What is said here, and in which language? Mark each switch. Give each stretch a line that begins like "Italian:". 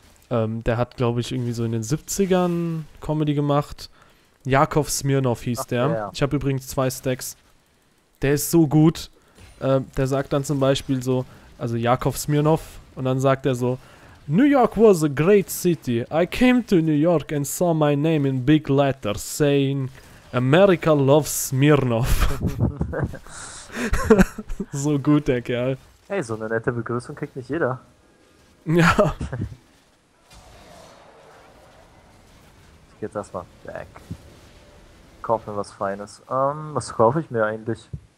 German: Der hat, glaube ich, irgendwie so in den 70ern Comedy gemacht. Jakov Smirnov hieß der. Ich habe übrigens 2 Stacks. Der ist so gut. Der sagt dann zum Beispiel so, also Jakov Smirnov, und dann sagt er so,
English: New York was a great city. I came to New York and saw my name in big letters saying America loves Smirnov.
German: So gut, der Kerl. Hey, so eine nette Begrüßung kriegt nicht jeder. Ja. Ich geh jetzt erstmal back. Kauf mir was Feines. Was kaufe ich mir eigentlich?